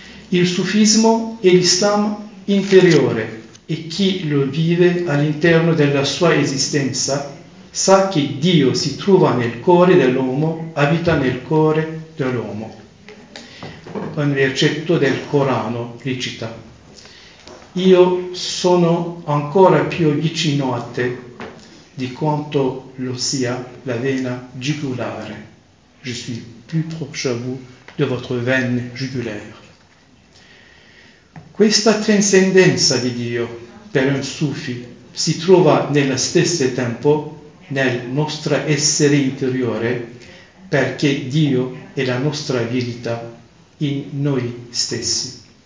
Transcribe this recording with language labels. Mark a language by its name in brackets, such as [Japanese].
[Italian] Il sufismo è l'Islam interiore e chi lo vive all'interno della sua esistenza sa che Dio si trova nel cuore dell'uomo, abita nel cuore dell'uomo. Un versetto del Corano recita: io sono ancora più vicino a te di quanto lo sia la vena jugulare. [French] Je suis plus proche à vous de votre veine jugulaire. [Italian] Questa trascendenza di Dio per un sufi si trova nello stesso tempo nel nostro essere interiore, perché Dio è la nostra verità in noi stessi.